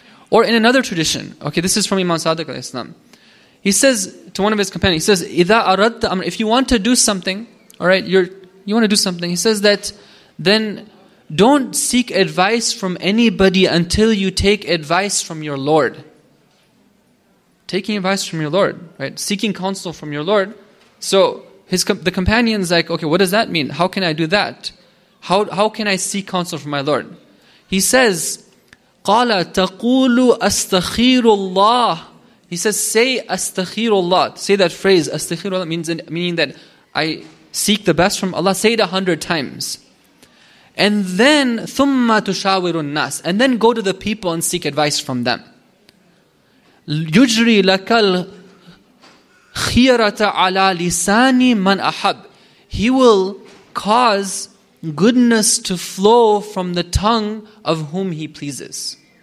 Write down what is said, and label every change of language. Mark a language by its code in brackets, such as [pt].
[en] Or in another tradition, okay, this is from Imam Sadiq al-Islam. He says to one of his companions, he says, [ar] إِذَا أَرَدْتَ أَمْرًا, [en] if you want to do something, all right, you want to do something, he says that then don't seek advice from anybody until you take advice from your Lord. Taking advice from your Lord, right? Seeking counsel from your Lord. So the companion's like, okay, what does that mean? How can I do that? How can I seek counsel from my Lord? He says, [ar] قَالَ تَقُولُ أَسْتَخِيرُ اللَّهِ. [en] He says, say [ar] أَسْتَخِيرُ اللَّهِ. [en] Say that phrase, [ar] أَسْتَخِيرُ اللَّهِ, [en] meaning that I seek the best from Allah. Say it 100 times. And then, [ar] ثُمَّ تُشَاوِرُ النَّاسِ. [en] And then go to the people and seek advice from them. [ar] يُجْرِي لَكَ الْخِيَرَةَ عَلَى لِسَانِ مَنْ أَحَبْ. [en] He will cause goodness to flow from the tongue of whom he pleases.